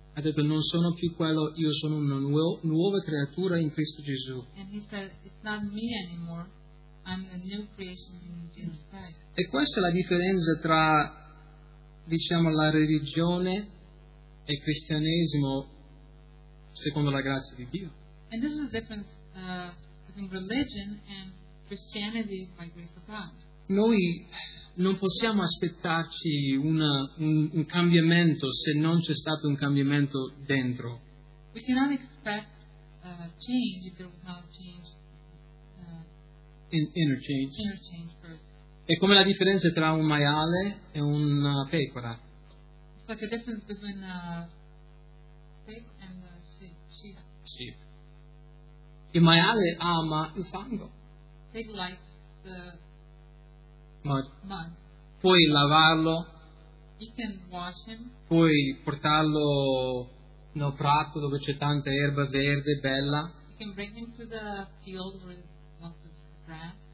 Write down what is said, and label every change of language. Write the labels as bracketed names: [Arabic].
[Italian] Ha detto, non sono più quello, io sono una nuova creatura in Cristo Gesù. [English] And he said, it's not me anymore. I'm a new creation in Jesus Christ. [Italian] E questa è la differenza tra, diciamo, la religione e il cristianesimo secondo la grazia di Dio. [English] And this is the difference between religion and Christianity by grace of God. [Italian] Noi non possiamo aspettarci un cambiamento se non c'è stato un cambiamento dentro. [English] We cannot expect change if there was not change. Interchange. [Italian] È come la differenza tra un maiale e una pecora. [English] It's like a difference between a pig and a sheep. [Italian] Sheep. Il maiale ama il fango. [English] Pig likes the [Italian] mud. Puoi lavarlo. [English] You can wash him. [Italian] Puoi portarlo nel prato dove c'è tanta erba verde, bella. [English] You can bring him to the field where there's lots of grass.